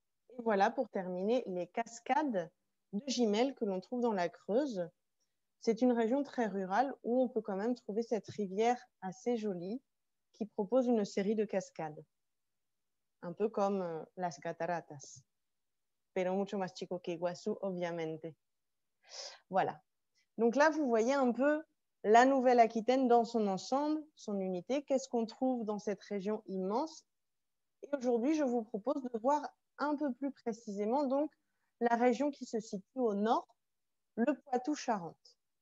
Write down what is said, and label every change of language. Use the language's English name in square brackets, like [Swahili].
[French] Et voilà pour terminer les cascades de Gimelles que l'on trouve dans la Creuse. C'est une région très rurale où on peut quand même trouver cette rivière assez jolie qui propose une série de cascades. Un peu comme [Spanish] las cataratas. Pero mucho más chico que Iguazú, obviamente. [French] Voilà. Donc là, vous voyez un peu la Nouvelle-Aquitaine dans son ensemble, son unité. Qu'est-ce qu'on trouve dans cette région immense? Et aujourd'hui, je vous propose de voir un peu plus précisément donc la région qui se situe au nord, le Poitou-Charentes.